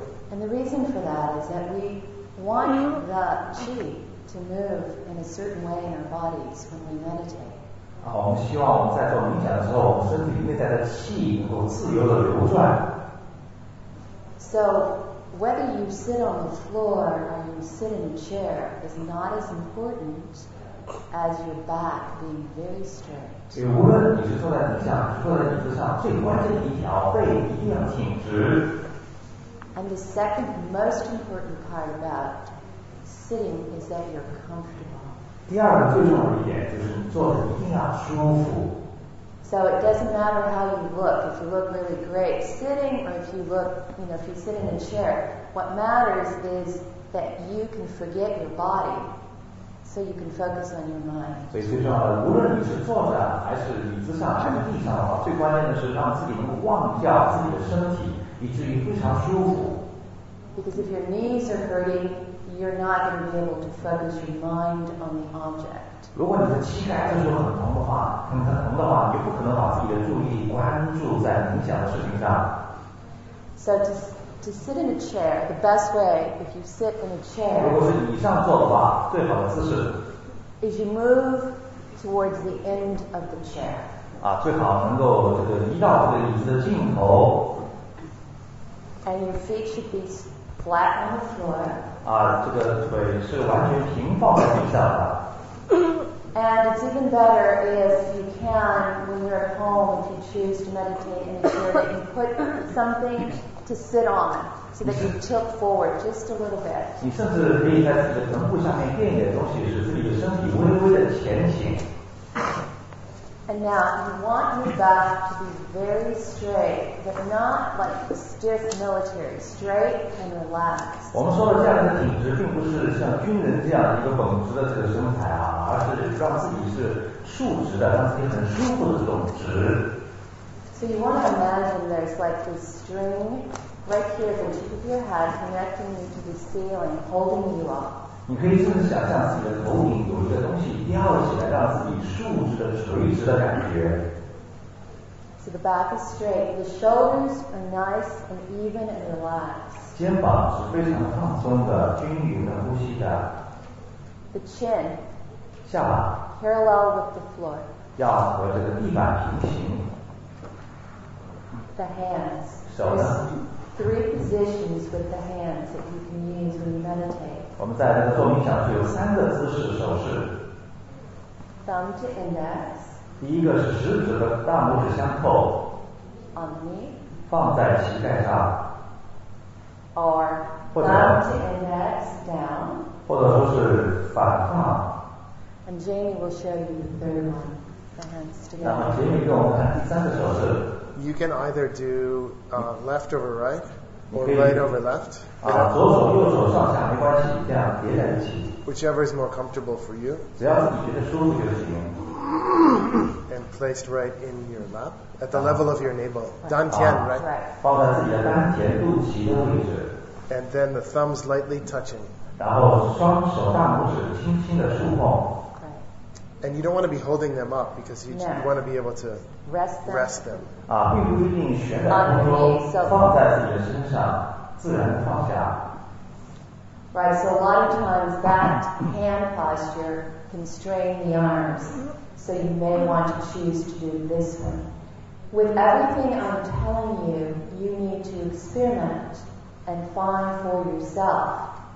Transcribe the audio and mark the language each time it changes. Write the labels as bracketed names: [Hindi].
[English] And the reason for that is that we want the qi to move in a certain way in our bodies when we meditate. [Chinese] 好，我们希望我们在做冥想的时候，我们身体内在的气能够自由的流转。 [English] So, whether you sit on the floor or you sit in a chair is not as important as your back being very straight. [Chinese] 所以无论你是坐在冥想，坐在椅子上，最关键的一条，背一定要挺直。 [English] And the second most important part about sitting is that you're comfortable. [Chinese] 第二个最重要的一点就是你坐得一定要舒服。 [English] So it doesn't matter how you look, if you look really great sitting or if you look, you know, if you sit in a chair, what matters is that you can forget your body so you can focus on your mind. [Chinese] 所以最重要的，无论你是坐着还是椅子上还是地上的话，最关键的是让自己能忘掉自己的身体，以至于非常舒服。 [English] Because if your knees are hurting, you're not going to be able to focus your mind on the object. [Chinese] 如果你的膝盖这时候很疼的话，很疼的话，你不可能把自己的注意力关注在冥想的事情上。 [English] So to sit in a chair, the best way if you sit in a chair. [Chinese] 如果是椅上坐的话，最好的姿势。 [English] Is you move towards the end of the chair. [Chinese] 啊，最好能够这个移到这个椅子的尽头。 [English] And your feet should be flat on the floor. [Chinese] 啊，这个腿是完全平放在地上的。 [English] And it's even better if you can, when you're at home, if you choose to meditate in a chair, that you put something to sit on, so that you tilt forward just a little bit. [Chinese] 你甚至可以在自己的臀部下面垫一点东西，使自己的身体微微的前倾。 [English] And now you want your back to be very straight, but not like stiff military, straight and relaxed. [Chinese] 我们说的这样的挺直，并不是像军人这样一个绷直的这个身材啊，而是让自己是竖直的，让自己很舒服的这种直。 [English] So you want to imagine there's like this string right here at the tip of your head connecting you to the ceiling, holding you up. [Chinese] 你可以甚至想象自己的头顶有一个东西吊起来，让自己竖直的、垂直的感觉。 [English] So the back is straight, the shoulders are nice and even and relaxed. [Chinese] 肩膀是非常放松的、均匀的呼吸的。 [English] The chin. [Chinese] 下巴。 [English] Parallel with the floor. [Chinese] 要和这个地板平行。 [English] The hands. [Chinese] 手呢？ [English] Three positions with the hands that you can use when you meditate. [Chinese] 我们在那个做冥想有三个姿势手势。 [English] Thumb to index. [Chinese] 第一个是食指和大拇指相扣。 [English] On the knee. [Chinese] 放在膝盖上。 [English] Or thumb to index down. [Chinese] 或者说是反放。 [English] And Jamie will show you the third one, the hands together. [Chinese] 那么 Jamie 给我们看第三个手势。 [English] You can either do left over right or right over left. [Chinese] 啊，左手右手上下没关系，这样叠在一起。 [English] Whichever is more comfortable for you. [Chinese] 只要你觉得舒服就行。 [English] And placed right in your lap at the level of your navel, 丹田 right. [Chinese] 放在自己的丹田肚脐的位置。 [English] And then the thumbs lightly touching. [Chinese] 然后双手大拇指轻轻的触碰。 [English] And you don't want to be holding them up because you, no. you want to be able to rest them. Rest them. [Chinese] 啊，并不一定悬在空中， [English] so, [Chinese] 放在自己的身上，自然放下。 [English] Right. So a lot of times that hand posture can strain the arms. So you may want to choose to do this one. With everything I'm telling you, you need to experiment and find for yourself.